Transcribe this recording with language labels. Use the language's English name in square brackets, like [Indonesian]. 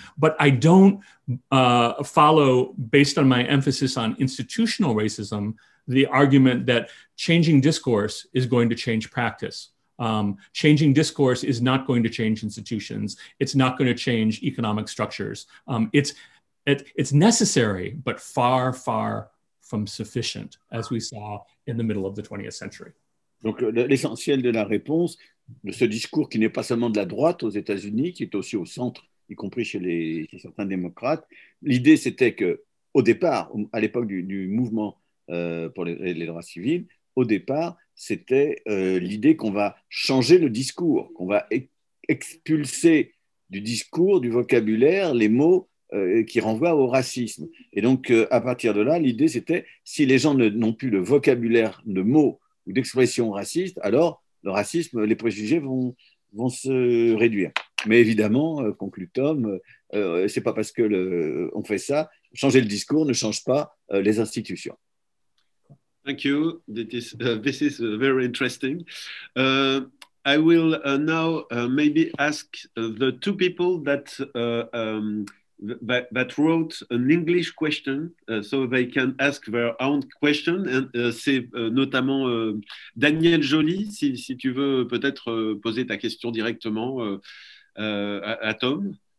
[English] But I don't follow, based on my emphasis on institutional racism, the argument that changing discourse is going to change practice. Changing discourse is not going to change institutions. It's not going to change economic structures. It's necessary, but far, far from sufficient, as we saw in the middle of the 20th century. [French] Donc, l'essentiel de la réponse, de ce discours qui n'est pas seulement de la droite aux États-Unis, qui est aussi au centre, y compris chez certains démocrates, l'idée c'était que, au départ, à l'époque du mouvement pour les droits civils, au départ, c'était l'idée qu'on va changer le discours, qu'on va expulser du discours, du vocabulaire, les mots qui renvoient au racisme. Et donc, à partir de là, l'idée, c'était si les gens n'ont plus le vocabulaire de mots ou d'expressions racistes, alors le racisme, les préjugés vont se réduire. Mais évidemment, conclut Tom, c'est pas parce qu'on fait ça, changer le discours ne change pas les institutions. [English] Thank you. This is very interesting. I will now maybe ask the two people that wrote an English question, so they can ask their own question. [French] And c'est notamment Daniel Joly, si tu veux peut-être poser ta question directement à Tom.